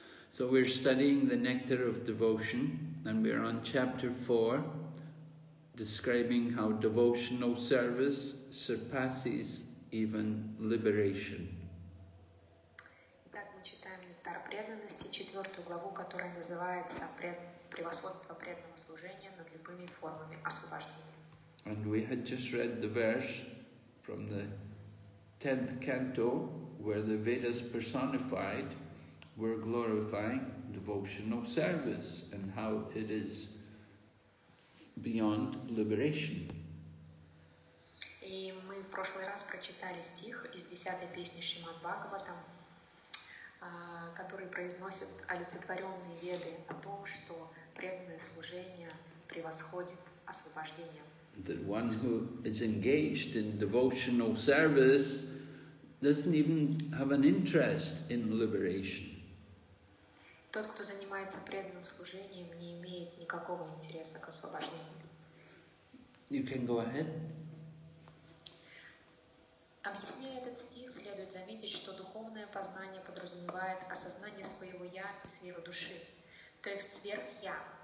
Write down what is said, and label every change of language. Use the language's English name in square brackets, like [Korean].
[English] So we're studying the nectar of devotion and we're on chapter 4 describing how devotional service surpasses even liberation. [Russian] Итак, мы читаем нектар преданности, четвертую главу, которая называется «Превосходство преданного служения над любыми формами освобождения». [English] And we had just read the verse from the 10th canto, where the Vedas personified were glorifying devotional service and how it is beyond liberation. [Russian] И мы в прошлый раз прочитали стих из 10-й песни Шримад-Бхагаватам, который произносит олицетворенные веды о том, что преданное служение превосходит освобождение. [English] That one who is engaged in devotional service doesn't even have an interest in liberation. [Russian] Тот, кто занимается преданным служением, не имеет никакого интереса к освобождению. [English] You can go ahead. [Russian] Объясняя этот стих, следует заметить, что духовное познание подразумевает осознание своего «я» и сферы души, то есть сверх-я.